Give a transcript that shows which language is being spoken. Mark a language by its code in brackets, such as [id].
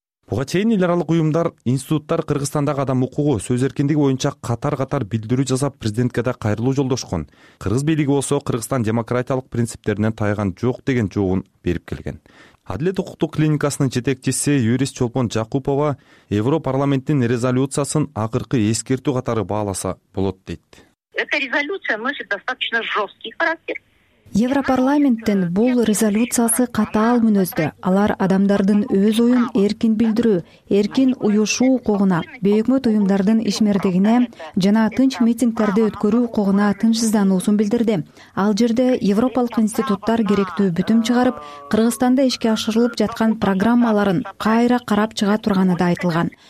[ky] Буга чейин эл аралык уюмдар, институттар Кыргызстандагы адам укугу, сөз эркиндиги боюнча катар-катар билдирүү жасап президентке да кайрылуу жолдошкон. Кыргыз бийлиги болсо Кыргызстан демократиялык принциптерине тайган жок деген жообун берип келген. Адилет укуктук клиникасынын жетекчиси юрист Чолпон Жакупова Европа парламенттин резолюциясын акыркы эскертүү катары бааласа болот дейт. [ru] Эта резолюция носит достаточно жесткий характер. [ky] Европарламенттин бул резолюциясы катаал мүнөздө. Алар адамдардын өз оюн эркин билдирүү, эркин уюшуу укугуна, бейөкмөт уюмдардын ишмердигине жана тынч митингдерди өткөрүү укугуна тынчсыздануусун билдирди. Ал жерде европалык институттар керектүү бүтүм чыгарып, Кыргызстанда ишке ашырылып жаткан программаларын кайра карап чыга турганы да айтылган.